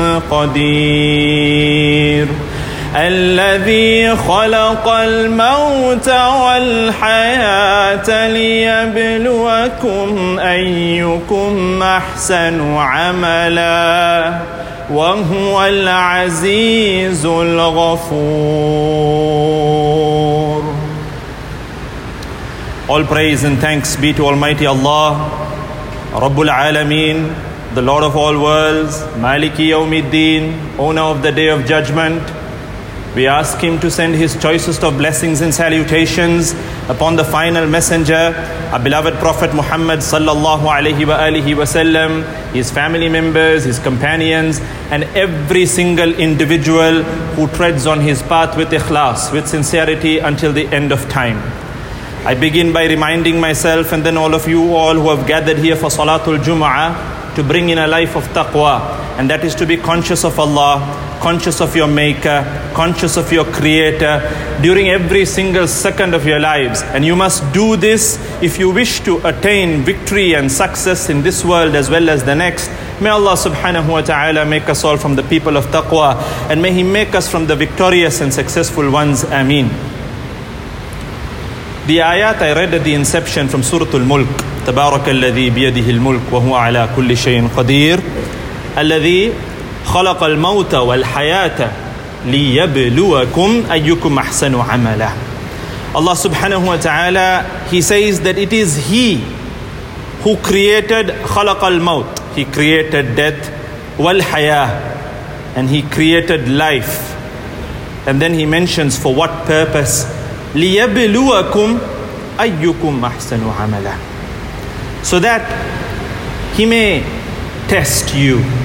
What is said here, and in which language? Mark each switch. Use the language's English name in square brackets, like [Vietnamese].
[Arabic] قدير الذي خلق الموت والحياة ليبلوكم أيكم أحسن عملا وهو العزيز الغفور. [English] All praise and thanks be to Almighty Allah, Rabbul Alameen, the Lord of all worlds, Maliki Yawmiddin, owner of the Day of Judgment. We ask Him to send His choicest of blessings and salutations upon the final messenger, our beloved Prophet Muhammad sallallahu alayhi wa alihi wa sallam, his family members, his companions, and every single individual who treads on his path with ikhlas, with sincerity, until the end of time. I begin by reminding myself and then all of you all who have gathered here for Salatul Jumu'ah to bring in a life of taqwa, and that is to be conscious of Allah, conscious of your Maker, conscious of your Creator during every single second of your lives. And you must do this if you wish to attain victory and success in this world as well as the next. May Allah subhanahu wa ta'ala make us all from the people of taqwa, and may He make us from the victorious and successful ones. Ameen. The ayat I read at the inception from Surah Al-Mulk, [Arabic] تبارك الذي بيده الملك وهو على كل شيء قدير الذي خلق الموت والحياة ليبلوكم أيكم أحسن عملا. [English] Allah subhanahu wa ta'ala, He says that it is He who created [Arabic] خلق الموت, [English] He created death, والحياة, and He created life. And then He mentions for what purpose, [Arabic] ليبلوكم أيكم أحسن عملا, [English] so that He may test you.